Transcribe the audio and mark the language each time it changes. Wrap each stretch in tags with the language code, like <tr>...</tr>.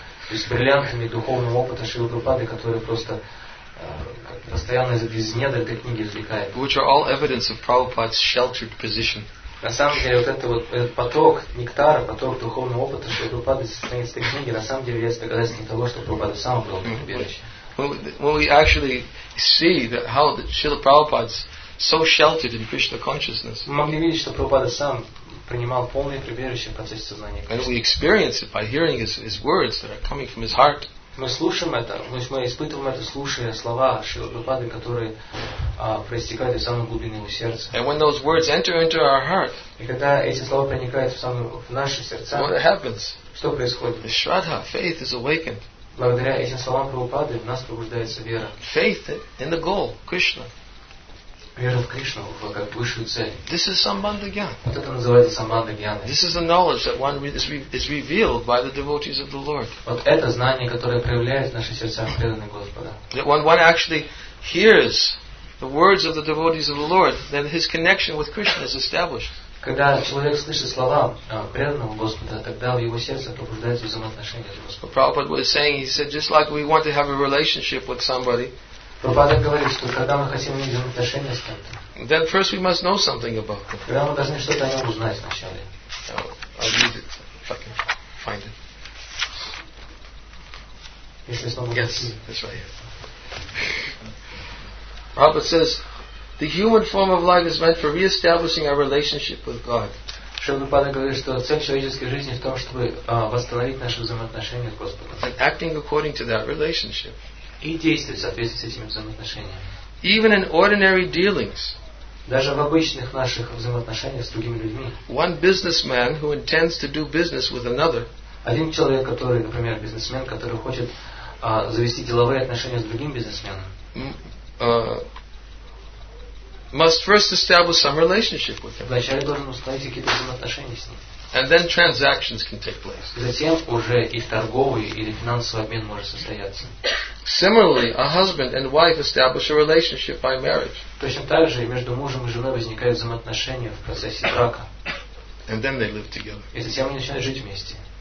<ru>С бриллиантами духовного опыта Шрилы Прабхупады, который просто постоянно из недр этой книги извлекает.</ru> <en>Which are all evidence of Prabhupada's sheltered position.</en> <ru>На самом деле, этот поток нектара, поток духовного опыта Шрилы Прабхупады со стороны этой книги, на самом деле, является доказательством того, что Прабхупада сам был в</ru> <en>прибежище. When we actually see that how Шрила Прабхупада so sheltered in Krishna consciousness.</en> <ru>Мы могли видеть, что Прабхупада сам принимал полное прибежище в процессе сознания.</ru> <en>And we experience it by hearing his words that are coming from his heart.</en> <ru>Мы слушаем это, мы испытываем это, слушая слова Шрилы Прабхупады, которые проистекают из самой глубины его сердца.</ru> <en>And when those words enter into our heart.</en> <ru>И когда эти слова проникают в наши сердца.</ru> <en>What happens?</en> <ru>Что происходит?</ru> <en>The Shraddha, faith is awakened.</en> <ru>Благодаря этим словам Прабхупады в нас пробуждается вера.</ru> <en>Faith in the goal, Krishna.</en> <ru>Вера в Кришну, как высшую цель.</ru> <en>This is sambandha gyan.</en> <ru>Вот это называется самбандха гьяна.</ru> <en>This is the knowledge that one is revealed by the devotees of the Lord.</en> <ru>Вот это знание, которое проявляется в наших сердцах преданных Господа.</ru> <en>That when one actually hears the words of the devotees of the Lord, then his connection with Krishna is established.</en> <ru>Когда человек слышит слова преданного Господа, тогда в его сердце пробуждается взаимоотношение с Господом.</ru> <en>Prabhupada was saying, he said, just like we want to have a relationship with somebody.</en> <ru>Прабхупада говорит, что когда мы хотим иметь взаимоотношения с кем-то,</ru> <en>then first we must know something about them.</en> <ru>Тогда мы должны что-то о нем узнать сначала.</ru> <en>I'll read it. If I can find it.</en> <ru>Если снова.</ru> <en>Yes, that's right. Prabhupada says, the human form of life is meant for re-establishing our relationship with God.</en> <ru>Шрила говорит, что цель человеческой жизни в том, чтобы восстановить наши взаимоотношения с Господом.</ru> <en>And acting according to that relationship.</en> <ru>И действовать в соответствии с этими взаимоотношениями.</ru> <en>Even in ordinary dealings,</en> <ru>даже в обычных наших взаимоотношениях с другими людьми,</ru> <en>one businessman who intends to do business with another,</en> <ru>один человек, который, например, бизнесмен, который хочет завести деловые отношения с другим бизнесменом,</ru> <en>must first establish some relationship with him.</en> <ru>Вначале должен установить какие-то взаимоотношения с ним.</ru> <en>And then transactions can take place.</en> <ru>Затем уже и торговый или финансовый обмен может состояться.</ru> <en>Similarly, a husband and wife establish a relationship by marriage.</en> <ru>Точно так же между мужем и женой возникают взаимоотношения в процессе брака.</ru> <en>And then they live together.</en> <ru>И затем они начинают жить вместе.</ru>